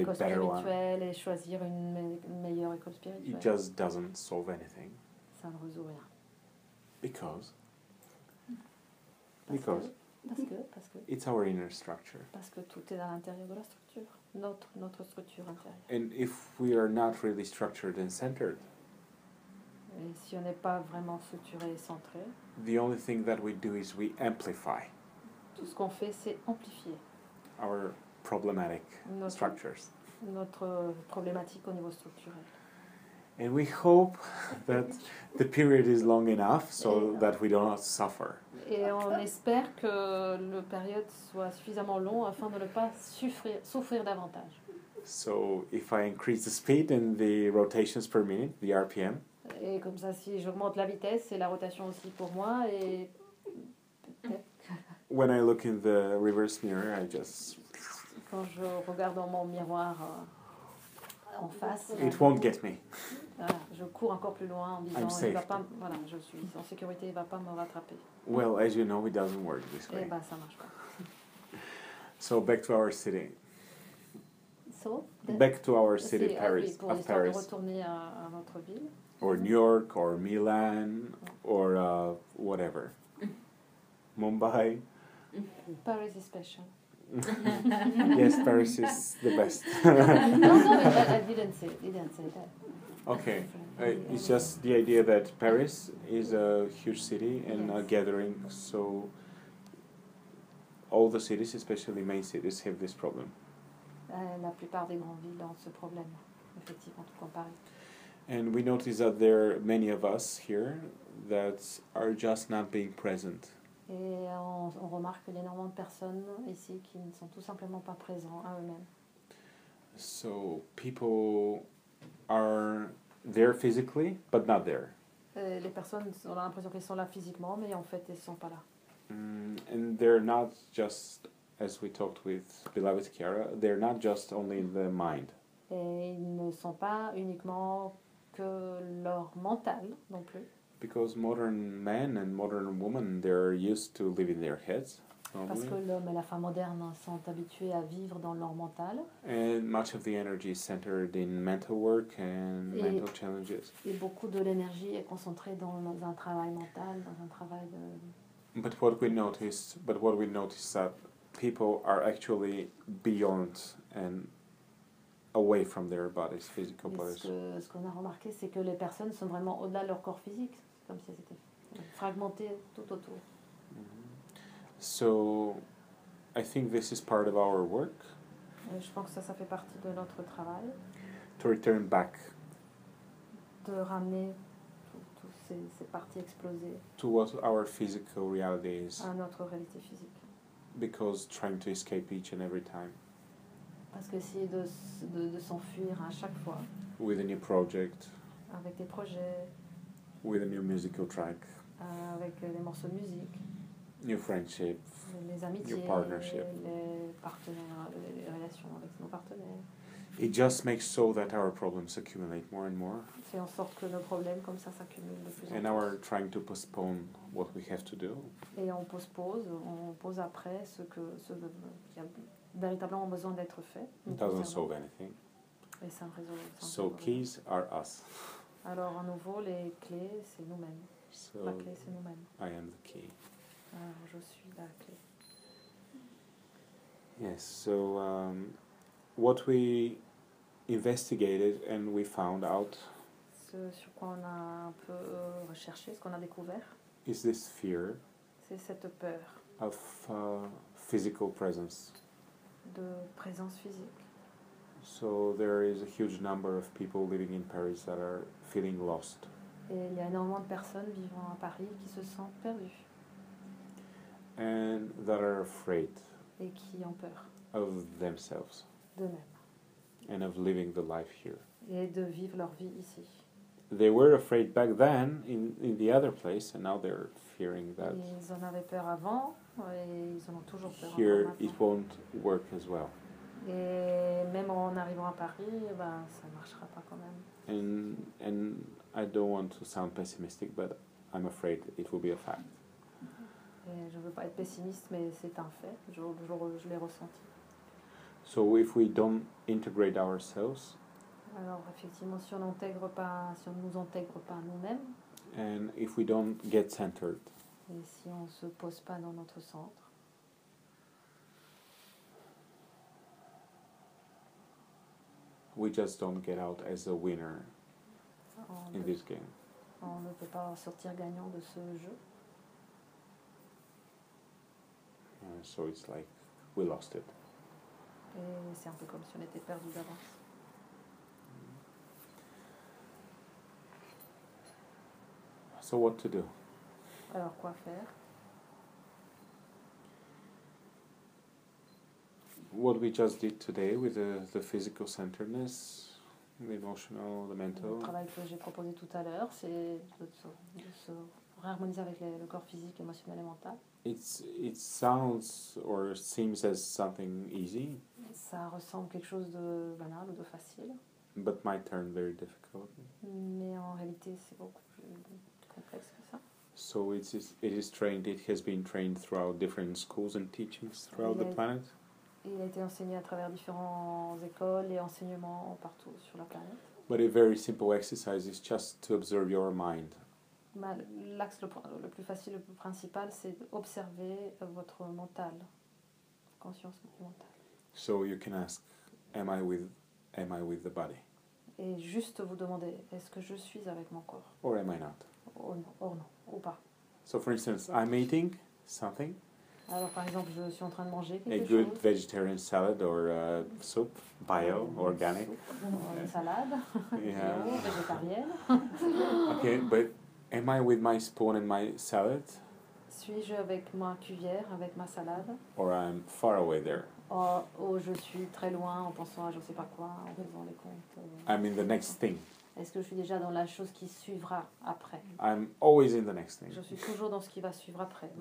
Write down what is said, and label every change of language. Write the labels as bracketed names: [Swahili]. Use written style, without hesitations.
[French] Une école spirituelle et choisir une meilleure école spirituelle. [English] It just doesn't solve anything. [French] Ça ne résout rien. [English] Because. [French] Parce que. [English] It's our inner structure. [French] Parce que tout est à l'intérieur de la structure. Notre structure intérieure. [English] And if we are not really structured and centered. [French] Et si on n'est pas vraiment structuré et centré. [English] The only thing that we do is we amplify. [French] Tout ce qu'on fait, c'est amplifier. [English] Our problematic structures. [French] Notre problématique au niveau structurel. [English] And we hope that the period is long enough so that we do not suffer. [French] Et on espère que le période soit suffisamment long afin de ne pas souffrir davantage. [English] So if I increase the speed and the rotations per minute, the RPM. [French] Et comme ça, si j'augmente la vitesse et la rotation aussi pour moi, et [English] when I look in the reverse mirror, I just. [French] Quand je regarde dans mon miroir. En face, [English] it won't get me. [French] Voilà, je cours encore plus loin en disant, il va pas. Voilà, je suis en sécurité, il va pas me rattraper. [English] Well, as you know, it doesn't work this way. [French] Eh ben, ça marche pas. [English] So back to our city. So. Back to our city, Paris. [French] Oui, pour Paris. De retourner à notre ville. [English] Or New York, or Milan, or whatever. Mumbai. Paris is special. Yes, Paris is the best. No, I didn't say that. Okay, it's just the idea that Paris is a huge city and yes. A gathering, so all the cities, especially main cities, have this problem. [French] La plupart des grandes villes ont ce problème, effectivement, tout comme Paris. [English] And we notice that there are many of us here that are just not being present. [French] Et on remarque qu'il y a énormément de personnes ici qui ne sont tout simplement pas présents à eux-mêmes. [English] So people are there physically, but not there. [French] Les personnes ont l'impression qu'elles sont là physiquement, mais en fait, elles ne sont pas là. [English] And they're not just, as we talked with beloved Chiara, they're not just only in the mind. [French] Et ils ne sont pas uniquement que leur mental non plus. [English] Because modern men and modern women, they're used to live in their heads. Normally. [French] Parce que l'homme et la femme modernes sont habitués à vivre dans leur mental. [English] And much of the energy is centered in mental work and mental challenges. [French] Et beaucoup de l'énergie est concentrée dans un travail mental, dans un travail de. [English] But what we notice that people are actually beyond and away from their bodies, physical bodies. [French] Ce qu'on a remarqué, c'est que les personnes sont vraiment au-delà de leur corps physique, comme si elles étaient fragmentées tout autour. [English] So, I think this is part of our work. [French] Je pense que ça fait partie de notre travail. [English] To return back. [French] De ramener toutes ces parties explosées. [English] To what our physical reality is. [French] À notre réalité physique. [English] Because trying to escape each and every time. [French] Parce qu'essayer de s'enfuir à chaque fois. [English] With a new project. [French] Avec des projets. [English] With a new musical track. [French] Avec des morceaux de musique. [English] New friendship, [French] les amitiés, [English] new partnership, [French] les relations avec nos partenaires. [English] It just makes so that our problems accumulate more and more. [French] Fait en sorte que nos problèmes comme ça s'accumulent de plus en plus. [English] And now we're trying to postpone what we have to do. [French] Et on pose après ce qui a véritablement besoin d'être fait. [English] It doesn't solve anything. [French] Et ça ne résout rien. [English] So keys are us. [French] Alors à nouveau les clés c'est nous-mêmes. [English] So [French] la clé c'est nous-mêmes. [English] I am the key. [French] Alors, je suis la clé. [English] Yes, so what we investigated and we found out. [French] Ce sur quoi on a un peu recherché, ce qu'on a découvert. [English] Is this fear. [French] C'est cette peur. [English] Of physical presence. [French] De présence physique. [English] So there is a huge number of people living in Paris that are feeling lost. [French] Et il y a énormément de personnes vivant à Paris qui se sentent perdues. [English] And that are afraid [French] et qui ont peur [English] of themselves [French] d'eux-mêmes [English] and of living the life here [French] et de vivre leur vie ici. [English] They were afraid back then in the other place and now they're fearing that [French] ils en avaient peur avant et ils en ont toujours peur [English] here it won't work as well [French] et même en arrivant à Paris ben ça marchera pas quand même [English] and I don't want to sound pessimistic but I'm afraid it will be a fact. [French] Et je ne veux pas être pessimiste, mais c'est un fait. Je l'ai ressenti. [English] So if we don't integrate ourselves, [French] alors effectivement, si on n'intègre pas, si on ne nous intègre pas nous-mêmes, [English] and if we don't get centered, [French] et si on ne se pose pas dans notre centre, [English] we just don't get out as a winner in this game. [French] On ne peut pas sortir gagnant de ce jeu. [English] So it's like we lost it. [French] Et c'est un peu comme si on était perdu d'avance. [English] So what to do? [French] Alors quoi faire? [English] What we just did today with the physical centeredness, the emotional, the mental. [French] Le travail que j'ai proposé tout à l'heure, c'est de se réharmoniser avec le corps physique, émotionnel et mental. [English] It sounds or seems as something easy. [French] Ça ressemble quelque chose de banal ou de facile. [English] But might turn very difficult. [French] Mais en réalité, c'est beaucoup plus complexe que ça. [English] So it is trained. It has been trained throughout different schools and teachings throughout the planet. [French] Il a été enseigné à travers différentes écoles et enseignements partout sur la planète. [English] But a very simple exercise is just to observe your mind. [French] L'axe le plus facile, le plus principal, c'est d'observer votre mental, conscience mentale. [English] So you can ask, am I with the body? [French] Et juste vous demander, est-ce que je suis avec mon corps? [English] Or am I not? [French] Or non, ou pas. [English] So for instance, I'm eating something. [French] Alors par exemple, je suis en train de manger quelque [English] chose. A good vegetarian salad or soup, bio, organic. [French] Soupe, une salade, bio, végétarienne. [English] Okay, but am I with my spoon and my salad? [French] Suis-je avec ma cuillère, avec ma salade? [English] Or I'm far away there. [French] Ou je suis très loin en pensant à je ne sais pas quoi, en faisant les comptes. [English] I'm in the next thing. [French] Est-ce que je suis déjà dans la chose qui suivra après? [English] I'm always in the next thing. [French] Je suis toujours dans ce qui va suivre après.